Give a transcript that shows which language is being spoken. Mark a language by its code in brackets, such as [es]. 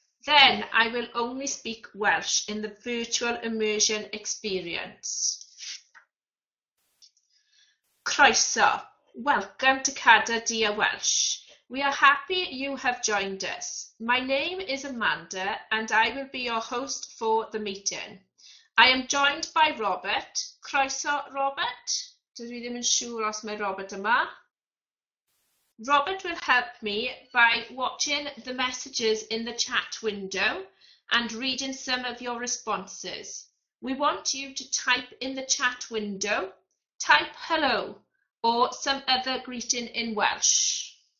[en] Then I will only speak Welsh in the virtual immersion experience. Croeso, welcome to Cada Dia Welsh. We are happy you have joined us. My name is Amanda and I will be your host for the meeting. I am joined by Robert. Croeso, Robert. [cy] Dwi ddim yn siŵr os mae Robert yma. [en] Robert will help me by watching the messages in the chat window and reading some of your responses. We want you to type in the chat window, type hello or some other greeting in Welsh.